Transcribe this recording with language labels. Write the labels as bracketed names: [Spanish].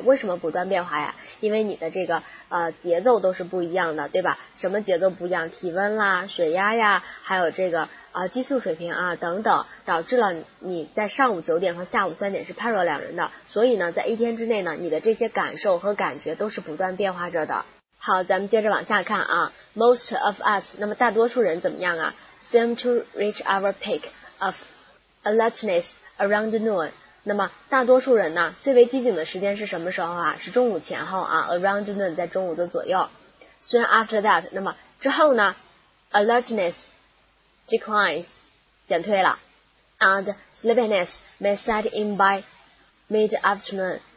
[Chinese] 为什么不断变化呀？因为你的这个节奏都是不一样的，对吧？什么节奏不一样？体温啦、血压呀，还有这个激素水平啊等等，导致了你在上午9点和下午3点是判若两人的。所以呢，在一天之内呢，你的这些感受和感觉都是不断变化着的。好，咱们接着往下看啊。 [English] Most of us， [Chinese] 那么大多数人怎么样啊？ [English] Seem to reach our peak of alertness around noon. [Chinese] 那么大多数人呢，最为机警的时间是什么时候啊？是中午前后啊。 [English] Around noon [Chinese] 在中午的左右。 [English] Soon after that， [Chinese] 那么之后呢 [English] ，alertness declines [Chinese] 减退了 [English] ，and sleepiness may set in by mid afternoon.